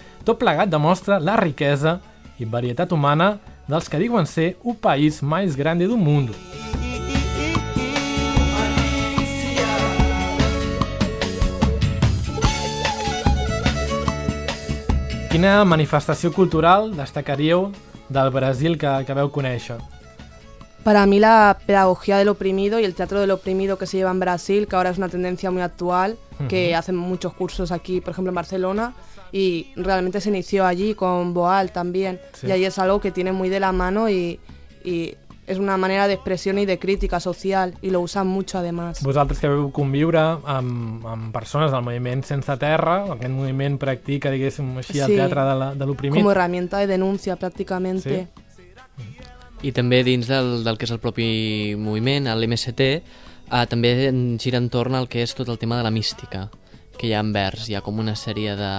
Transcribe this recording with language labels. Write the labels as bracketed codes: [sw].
[ca] Tot plegat demostra la riquesa i varietat humana dels que diuen ser un país més gran del món. Quina manifestació cultural destacaríeu del Brasil que veu conèixer? [es] Para mí la pedagogía del oprimido y el teatro del oprimido que se lleva en Brasil, que ahora es una tendencia muy actual, que hacen muchos cursos aquí, por ejemplo en Barcelona, y realmente se inició allí con Boal también, sí. Y ahí es algo que tiene muy de la mano y [ca] és una manera d'expressió i de crítica social, i [es] lo usan mucho además. [ca] Vosaltres que veu conviure amb persones del moviment Sense Terra, aquest moviment practica, diguéssim així, el teatre de l'oprimit. Com herramienta de denúncia, pràcticamente. I també dins del que és el propi moviment, l'MST, també gira entorn al que és tot el tema de la mística, que hi ha en vers, hi ha com una sèrie de...